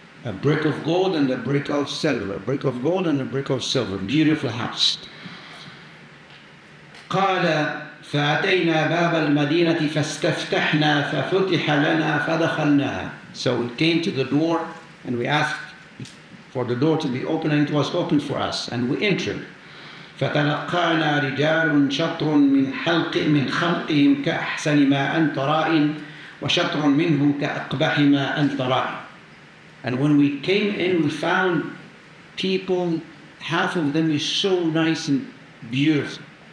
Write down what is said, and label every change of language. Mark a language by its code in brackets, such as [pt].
[en] A brick of gold and a brick of silver. A brick of gold and a brick of silver. Beautiful house. [ar] قال فأتينا باب المدينة فاستفتحنا ففتح لنا فدخلناها. [en] So we came to the door and we asked for the door to be open and it was open for us and we entered. [ar] فتلقانا رجال شطر من حلق من خلقهم كأحسن ما أنت رائن وشطر منهم كأقبح ما أنت رائن. [en] And when we came in, we found people, half of them is so nice and beautiful.